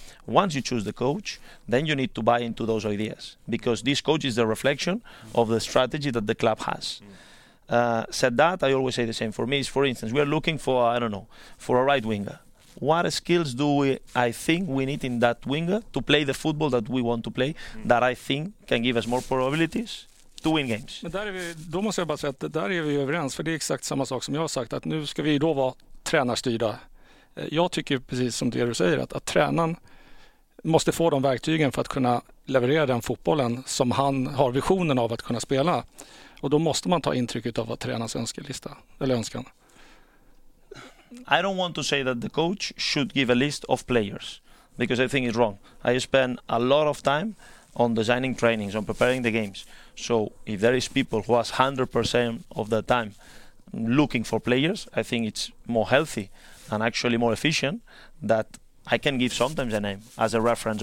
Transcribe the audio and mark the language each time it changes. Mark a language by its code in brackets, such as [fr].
[en] Once you choose the coach, then you need to buy into those ideas, because this coach is the reflection of the strategy that the club has. Said that, I always say the same. For me, is, for instance, we are looking for, I don't know, for a right winger. what skills do we I think we need in that winger to play the football that we want to play, that I think can give us more probabilities to win games. [sv] Men där är vi, då måste jag bara säga att där är vi överens, för det är exakt samma sak som jag har sagt, att nu ska vi då vara tränarstyrda. Jag tycker precis som det du säger, att tränaren måste få de verktygen för att kunna leverera den fotbollen som han har visionen av att kunna spela. Och då måste man ta intryck av vad tränarens önskelista eller önskan. [en] I don't want to say that the coach should give a list of players, because I think it's wrong. I spend a lot of time on designing trainings, on preparing the games. So if there is people who has 100% of the time looking for players, I think it's more healthy and actually more efficient that I can give sometimes a name as a reference.